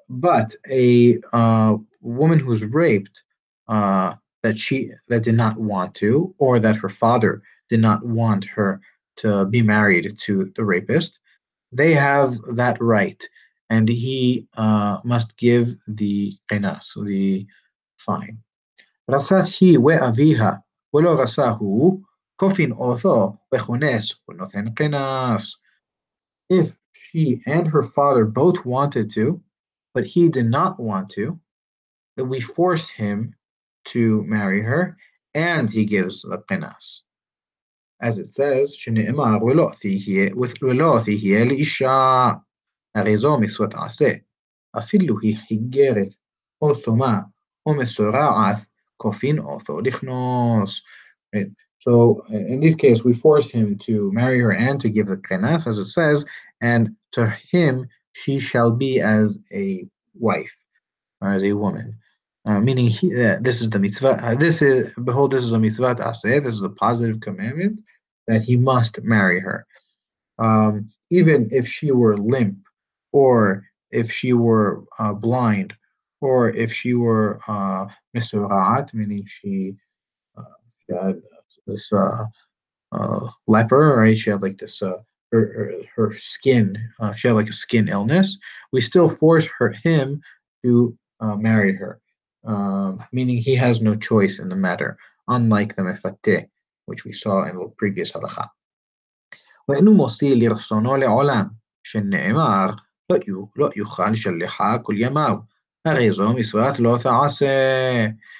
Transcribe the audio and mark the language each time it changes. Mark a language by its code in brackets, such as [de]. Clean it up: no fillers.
[en] But a woman who's raped that did not want to, or that her father did not want her to be married to the rapist, they have that right, and he must give the qinas, the fine. [he] רסת היא ואביה ולא רסה הוא, קופין אותו וכונס ונותן קנס. [en] If she and her father both wanted to, but he did not want to, then we force him to marry her, and he gives the penas. As it says, [he] שנאמר, ולא תהיה לאישה, הרי זו מצוות עשה, אפילו היא חיגרת, או סומה, או מסורעת, כופין אותו לכנוס. [en] So in this case, we force him to marry her and to give the kenas, as it says, and to him she shall be as a wife, as a woman. Meaning, this is the mitzvah. This is a mitzvah aseh. This is a positive commandment that he must marry her, even if she were limp, or if she were blind, or if she were misurat, meaning she had this leper, right? She had like this her skin, she had like a skin illness. We still force him to marry her, meaning he has no choice in the matter, unlike the mefate, which we saw in the previous halacha. [he] ואינו מוציא לרצונו לעולם, שנאמר לא יוכל שלחה כל ימיו, הרי זו מצוות לא תעשה.